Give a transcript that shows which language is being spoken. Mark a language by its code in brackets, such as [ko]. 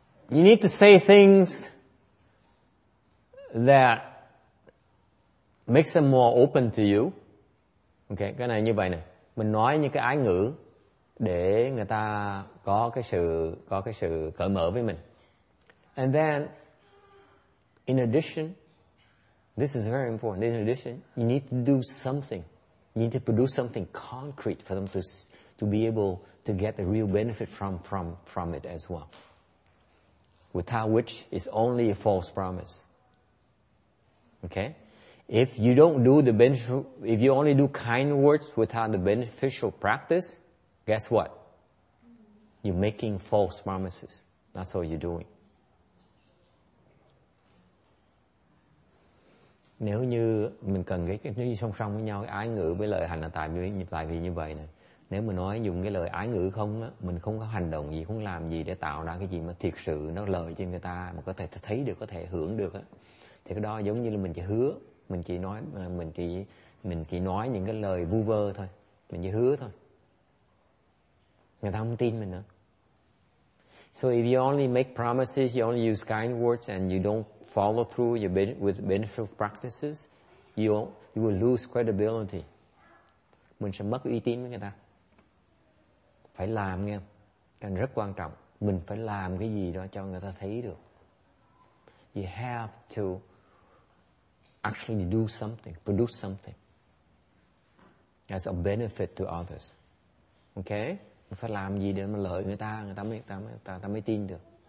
[en] You need to say things that makes them more open to you. [vi] Okay, cái này như vậy nè. Mình nói những cái ái ngữ để người ta có cái sự cởi mở với mình. [en] And then, in addition, this is very important. In addition, you need to do something. You need to produce something concrete for them to be able to get the real benefit from it as well. Without which, it's only a false promise. Okay? If you don't do the beneficial, if you only do kind words without the beneficial practice, guess what? You're making false promises. That's all you're doing. [vi] Nếu như mình cần cái đi song song với nhau, cái ái ngữ với lời hành là tại vì như vậy này. Nếu mình nói dùng cái lời ái ngữ không á, mình không có hành động gì, không làm gì để tạo ra cái gì mà thiệt sự nó lợi cho người ta mà có thể thấy được, có thể hưởng được á, thì cái đó giống như là mình chỉ hứa, mình chỉ nói những cái lời vu vơ thôi, mình chỉ hứa thôi. Người ta không tin mình nữa. [en] So if you only make promises, you only use kind words and you don't follow through with beneficial practices, you will lose credibility. [vi] Mình sẽ mất uy tín với người ta. Phải làm nghe, cái rất quan trọng. Mình phải làm cái gì đó cho người ta thấy được. [en] You have to actually do something, produce something. as a benefit to others. Okay? [vi] Mình phải làm gì để mà lợi người ta mới tin được.